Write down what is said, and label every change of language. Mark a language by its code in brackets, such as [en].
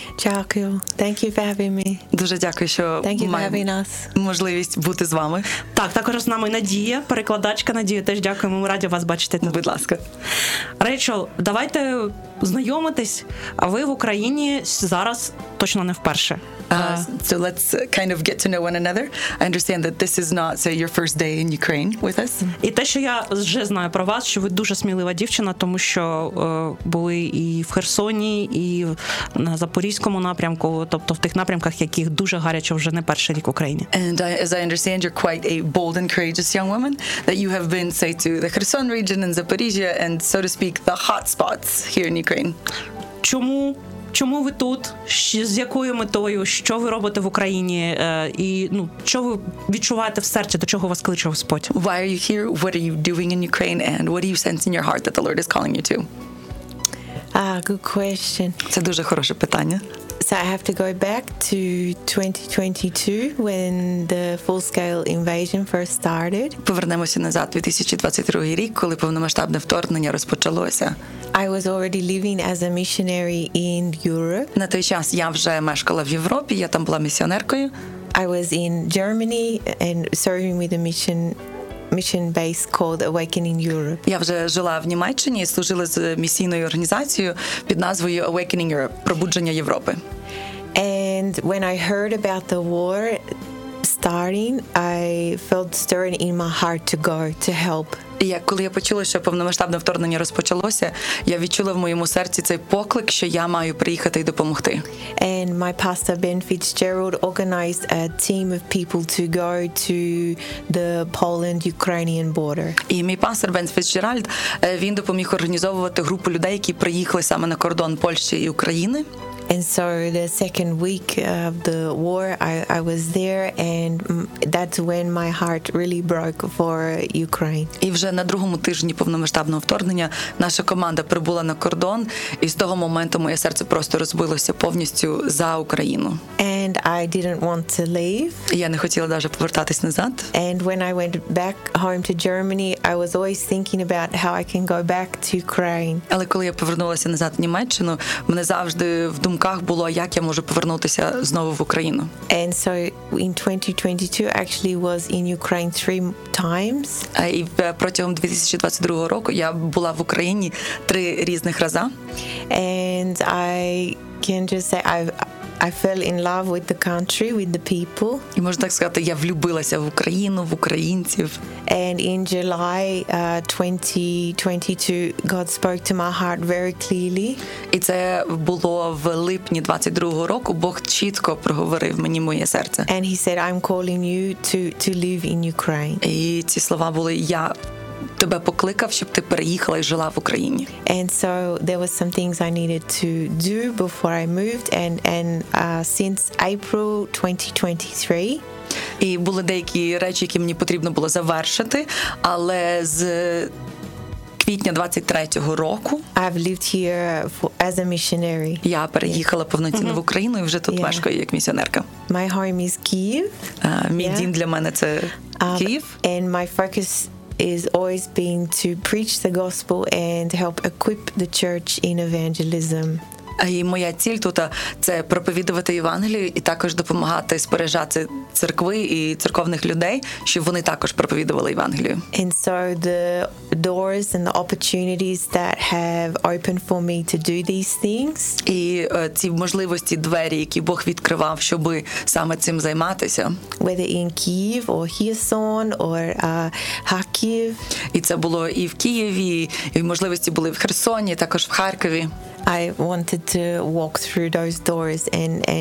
[uk] Дякую. [en] Thank you for having me. [uk] Дуже дякую, що маємо можливість бути з вами. Так, також з нами Надія, перекладачка. Надія, теж дякуємо, ми раді вас бачити тут. Будь ласка. Рейчел, давайте знайомитись. А ви в Україні зараз точно не вперше. [en] So let's kind of get to know one another. I understand that this is not, say, your first day in Ukraine with us. [uk] І те, що я вже знаю про вас, що ви дуже смілива дівчина, тому що були і в Херсоні, і на Запорізькому напрямку, тобто в тих напрямках, яких дуже гаряче вже не перший рік в Україні. [en] And as I understand, you're quite a bold and courageous young woman, that you have been, say, to the Kherson region and Zaporizhia, and, so to speak, the hot spots here in Ukraine. [uk] Чому? Чому ви тут? З якою метою? Що ви робите в Україні? І, ну, що ви відчуваєте в серці? До чого вас кличе Господь? [en] Why are you here? What are you doing in Ukraine? And what do you sense in your heart that the Lord is calling you to? Good question. [uk] Це дуже хороше питання. [en] So I have to go back to 2022 when the full-scale invasion first started. [uk] Повернемося назад у 2022 рік, коли повномасштабне вторгнення розпочалося. [en] I was already living as a missionary in Europe. [uk] На той час я вже мешкала в Європі, я там була місіонеркою. [en] I was in Germany and serving with a mission base called Awakening Europe. [uk] Я вже жила в Німеччині і служила з місійною організацією під назвою Awakening Europe, пробудження Європи. [en] And when I heard about the war starting, I felt stirring in my heart to go to help. [uk] І я, коли я почула, що повномасштабне вторгнення розпочалося, я відчула в моєму серці цей поклик, що я маю приїхати і допомогти. [en] And my pastor Ben Fitzgerald organized a team of people to go to the Poland-Ukrainian border. [uk] І мій пастор Бен Фіцджеральд, він допоміг організовувати групу людей, які приїхали саме на кордон Польщі і України. [en] And so the second week of the war, I was there, and that's when my heart really broke for Ukraine. [uk] І вже на другому тижні повномасштабного вторгнення наша команда прибула на кордон, і з того моменту моє серце просто розбилося повністю за Україну. [en] And I didn't want to leave. [uk] Я не хотіла даже повертатись назад. [en] And when I went back home to Germany, I was always thinking about how I can go back to Ukraine. [uk] Але коли я повернулася назад в Німеччину, мене завжди в думках було, як я можу повернутися знову в Україну. [en] And so in 2022 actually was in Ukraine 3 times. [uk] І протягом 2022 року я була в Україні 3 різних рази. [en] And I can just say I fell in love with the country, with the people. [uk] І можна так сказати, я влюбилася в Україну, в українців. [en] And in July 2022, God spoke to my heart very clearly. [uk] І це було в липні 22-го року, Бог чітко проговорив мені моє серце. [en] And he said, I'm calling you to live in Ukraine. [uk] І ці слова були, я тебе покликав, щоб ти переїхала і жила в Україні. [en] And so there were some things I needed to do before I moved, and since April 2023. [uk] І були деякі речі, які мені потрібно було завершити, але з квітня 23-го року [en] I've lived here as a missionary. [uk] Я переїхала повноцінно в Україну і вже тут мешкаю як місіонерка. [en] My home is Kyiv. [uk] Мій дім для мене це Київ. [en] And my focus is always been to preach the gospel and help equip the church in evangelism. [uk] І моя ціль тут це проповідувати Євангелію і також допомагати споряджати церкви і церковних людей, щоб вони також проповідували Євангелію. [en] And so the doors and the opportunities that have opened for me to do these things. [uk] І ці можливості, двері, які Бог відкривав, щоб саме цим займатися. [en] Whether in Kyiv or Kherson or Kharkiv. [uk] І це було і в Києві, і можливості були в Херсоні, також в Харкові. [en] I wanted to walk through those doors and